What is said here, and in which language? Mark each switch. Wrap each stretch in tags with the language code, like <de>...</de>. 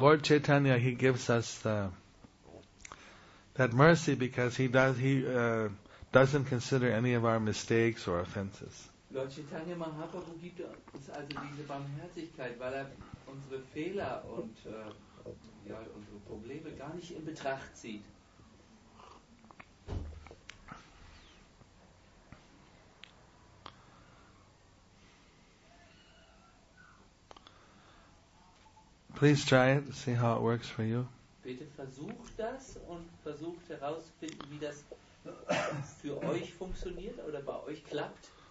<en>Lord Chaitanya, he gives us that mercy because he doesn't consider any of our mistakes or offenses.</en> <de>Lord Chaitanya Mahaprabhu gibt uns also diese Barmherzigkeit, weil er unsere Fehler und unsere Probleme gar nicht. gar nicht in Betracht zieht.</de> <en>Please try it, see how it works for you.</en> <de>Bitte versucht das und versucht herauszufinden, wie das für euch funktioniert oder bei euch klappt.</de>